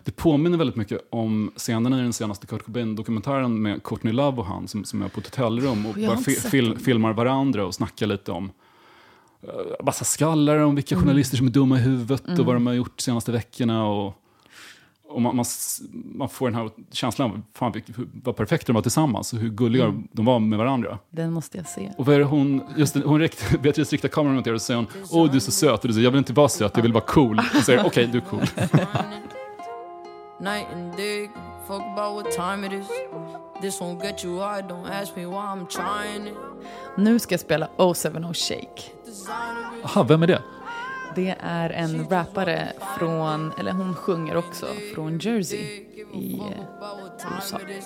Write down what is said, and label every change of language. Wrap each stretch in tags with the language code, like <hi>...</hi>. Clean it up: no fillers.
<sv>Det påminner väldigt mycket om scenerna i den senaste Kurt Cobain-dokumentären med Courtney Love och han som är på ett hotellrum och bara filmar varandra och snackar lite om massa skallar om vilka journalister som är dumma i huvudet och vad de har gjort de senaste veckorna. Och man får den här känslan fan, vad perfekt de var tillsammans och hur gulliga de var med varandra. Den måste jag se. Och vad är hon, just det, hon Beatrice riktar kameran mot er och säger åh, du är så söt, och du säger, jag vill inte vara söt, jag vill vara cool. Och säger, okej, du är cool.</sv> <en>Night and day, fuck about what time it is. This won't get you high, don't ask me why I'm trying.</en> <sv>Nu ska jag spela 070 Shake. Aha, vem är det? Det är en rappare från, eller hon sjunger också, från Jersey i USA.</sv>